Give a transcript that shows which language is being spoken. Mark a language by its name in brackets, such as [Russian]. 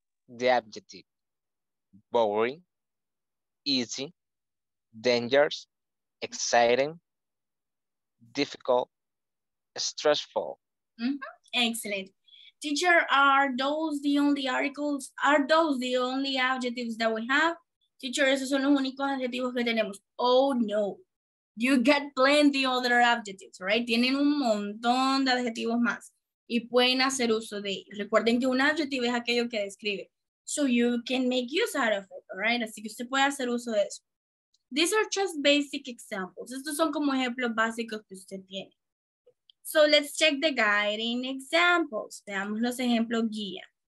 [English] The adjective, boring, easy, dangerous, exciting, difficult, stressful. Mm-hmm. Excellent. Teacher, are those the only articles? Are those the only adjectives that we have? Teacher, [Spanish] esos son los únicos adjetivos que tenemos. [English] Oh, no. You get plenty other adjectives, right? [Spanish] Tienen un montón de adjetivos más y pueden hacer uso de ellos. Recuerden que un adjetivo es aquello que describe. [English] So you can make use out of it, right? [Spanish] Así que usted puede hacer uso de eso. [English] These are just basic examples. [Spanish] Estos son como ejemplos básicos que usted tiene. [English] So let's check the guiding examples. [Spanish] Veamos los ejemplos guía.